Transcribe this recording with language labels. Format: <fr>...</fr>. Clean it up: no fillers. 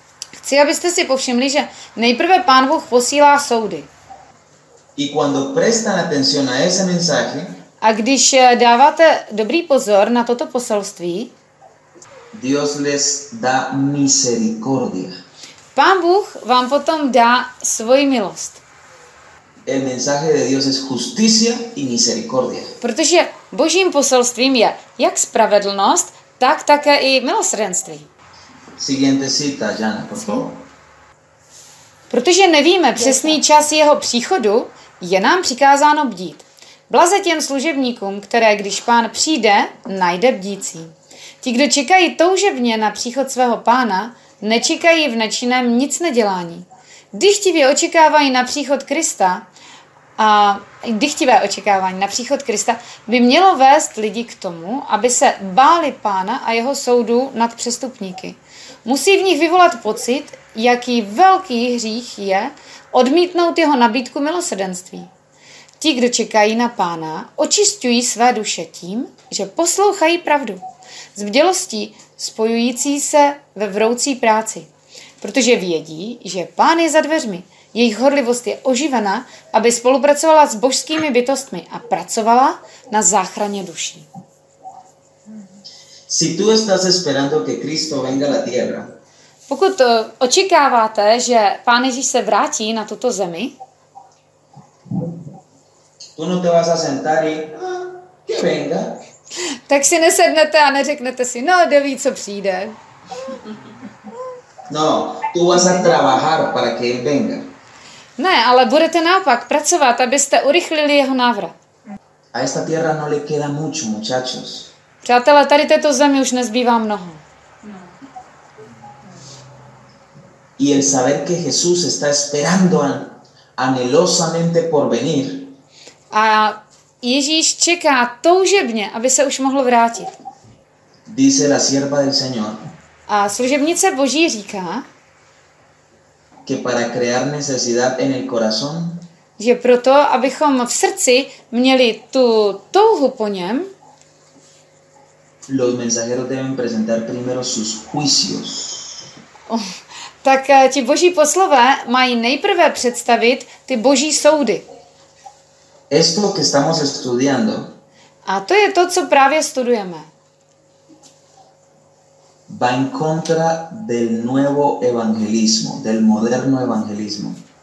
<cs>Chci, abyste si povšimli, že nejprve Pán Bůh posílá soudy.</cs> <es>Y cuando prestan atención a ese mensaje,</es> <cs>a když dáváte dobrý pozor na toto poselství,</cs> <es>Dios les da misericordia.</es> <cs>Pán Bůh vám potom dá svoji milost.</cs> <es>El mensaje de Dios es justicia y misericordia.</es> <cs>Protože Božím poselstvím je jak spravedlnost, tak také i milosrdenství.</cs> <es>Siguiente cita, Jana, por favor.</es> <cs>Protože nevíme přesný čas jeho příchodu, je nám přikázáno bdít. Blaze těm služebníkům, které když pán přijde, najde bdící. Ti, kdo čekají toužebně na příchod svého pána, nečekají v nečinném nic nedělání. Dychtivě očekávají na příchod Krista a dychtivé očekávání na příchod Krista by mělo vést lidi k tomu, aby se báli pána a jeho soudu nad přestupníky. Musí v nich vyvolat pocit, jaký velký hřích je odmítnout jeho nabídku milosrdenství. Ti, kdo čekají na pána, očisťují své duše tím, že poslouchají pravdu. S bdělostí spojující se ve vroucí práci. Protože vědí, že pán je za dveřmi. Jejich horlivost je oživena, aby spolupracovala s božskými bytostmi a pracovala na záchraně duší.</cs> <es>Si tú estás esperando que Cristo venga a la tierra.</es> <cs>Pokud očekáváte, že Pán Ježíš se vrátí na tuto zemi,</cs> <es>tú no te vas a sentar y que venga.</es> <cs>Tak si nesednete a neřeknete si, no, kdo ví, co přijde.</cs> <es>No, tú vas a trabajar para que él venga.</es> <cs>Ne, ale budete naopak pracovat, abyste urychlili jeho návrat.</cs> <es>A esta tierra no le queda mucho, muchachos.</es> <cs>Přátelé, tady této zemi už nezbývá mnoho.</cs> <es>Y el saber que Jesús está esperando anhelosamente por venir.</es> <cs>A Ježíš čeká toužebně, aby se už mohl vrátit.</cs> <es>Dice la sierva del Señor.</es> <cs>A služebnice Boží říká,</cs> <es>que para crear necesidad en el corazón.</es> <cs>Že proto, abychom v srdci měli tu touhu po něm.</cs> <es>Los mensajeros deben presentar primero sus juicios.</es> <cs>Tak ti boží poslové mají nejprve představit ty boží soudy.</cs> <es>Esto que estamos estudiando.</es> <cs>A to je to, co právě studujeme.</cs> <es>Va en contra del nuevo evangelismo, del moderno evangelismo.</es>